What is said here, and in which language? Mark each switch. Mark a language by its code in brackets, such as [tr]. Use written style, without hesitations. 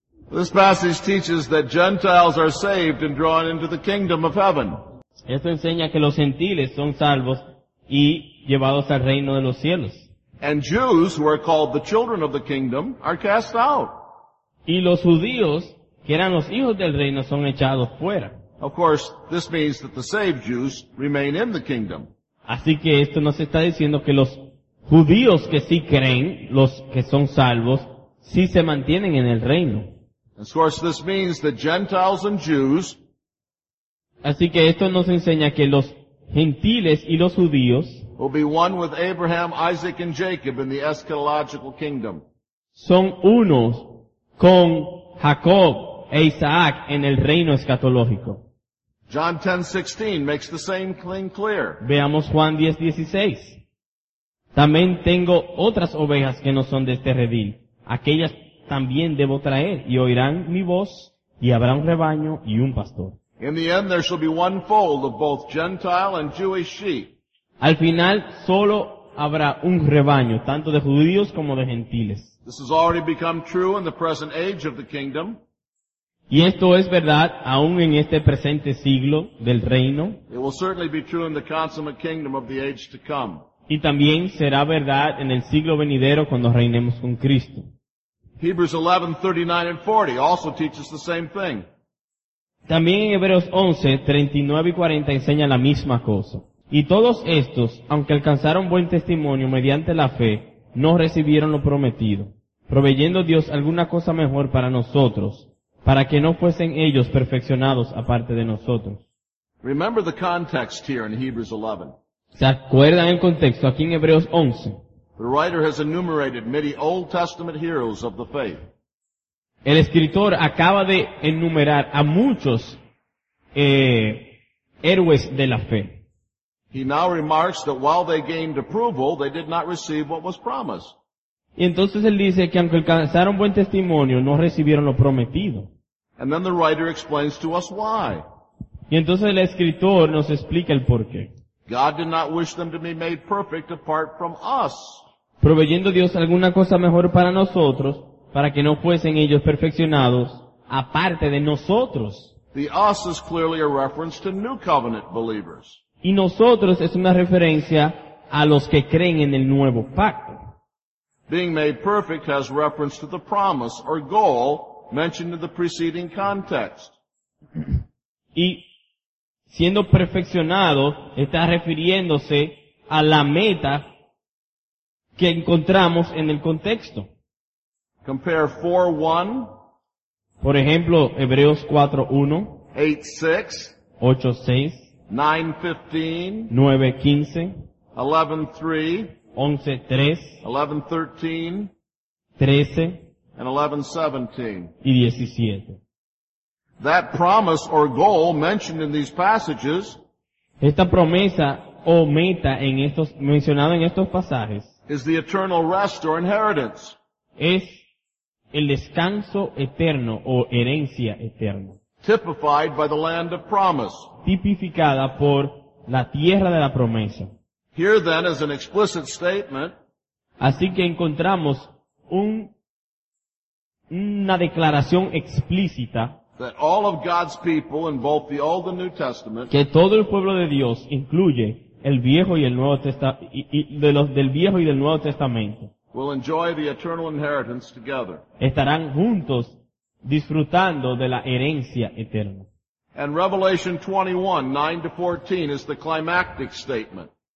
[en] This passage teaches that Gentiles are saved and drawn into the kingdom of heaven. [es] Esto enseña que los gentiles son salvos y llevados al reino de los cielos. [en] And Jews, who are called the children of the kingdom, are cast out. [es] Y los judíos, que eran los hijos del reino, son echados fuera. [en] Of course, this means that the saved Jews remain in the kingdom. [es] Así que esto nos está diciendo que los judíos que sí creen, los que son salvos, sí se mantienen en el reino. [en] And of course, this means that Gentiles and Jews. [es] Así que esto nos enseña que los gentiles y los judíos [en] will be one with Abraham, Isaac, and Jacob in the eschatological kingdom. [es] Son unos con Jacob e Isaac en el reino escatológico. [en] John 10:16 makes the same thing clear. [es] Veamos Juan 10:16. También tengo otras ovejas que no son de este redil. Aquellas también debo traer y oirán mi voz y habrá un rebaño y un pastor. [en] In the end there shall be one fold of both Gentile and Jewish sheep. [es] Al final solo habrá un rebaño, tanto de judíos como de gentiles. [en] This has already become true in the present age of the kingdom. [es] Y esto es verdad aún en este presente siglo del reino. [en] It will certainly be true in the consummate kingdom of the age to come. [es] Y también será verdad en el siglo venidero cuando reinemos con Cristo. [en] Hebrews 11:39-40 also teaches the same thing. [es] También en Hebreos 11:39-40 enseña la misma cosa. Y todos estos, aunque alcanzaron buen testimonio mediante la fe, no recibieron lo prometido, proveyendo Dios alguna cosa mejor para nosotros, para que no fuesen ellos perfeccionados aparte de nosotros. [en] Remember the context here in Hebrews 11. [es] ¿Se acuerdan el contexto aquí en Hebreos 11? [en] The writer has enumerated many Old Testament heroes of the faith. [es] El escritor acaba de enumerar a muchos héroes de la fe. [en] He now remarks that while they gained approval, they did not receive what was promised. [es] Y entonces él dice que aunque alcanzaron buen testimonio, no recibieron lo prometido. [en] And then the writer explains to us why. [es] Y entonces el escritor nos explica el porqué. [en] God did not wish them to be made perfect apart from us. [es] Proveyendo Dios alguna cosa mejor para nosotros, para que no fuesen ellos perfeccionados, aparte de nosotros. [en] The us is clearly a reference to new covenant believers. [es] Y nosotros es una referencia a los que creen en el nuevo pacto. [en] Being made perfect has reference to the promise or goal mentioned in the preceding context. [es] Y siendo perfeccionado está refiriéndose a la meta que encontramos en el contexto. [en] Compare 4:1. [es] Por ejemplo, Hebreos 4:1. [en] 8:6. [es] 8:6. [en] 9:15. [es] 9:15. [en] 11:3. [es] 11:3. [en] 11:13. [es] 13. [en] And 11:17. [es] Y 17. [en] That promise or goal mentioned in these passages. [es] Esta promesa o meta en estos mencionado en estos pasajes. [en] Is the eternal rest or inheritance. [es] Es el descanso eterno o herencia eterna. [en] Typified by the land of promise. [es] Tipificada por la tierra de la promesa. [en] Here then is an explicit statement. [es] Así que encontramos una declaración explícita. [en] That all of God's people in both the Old and New Testament. [es] Que todo el pueblo de Dios incluye el viejo y el nuevo del viejo y del nuevo testamento. [en] Will enjoy the eternal inheritance together. [es] Estarán juntos disfrutando de la herencia eterna. [en] And Revelation 21:9-14 is the climactic statement.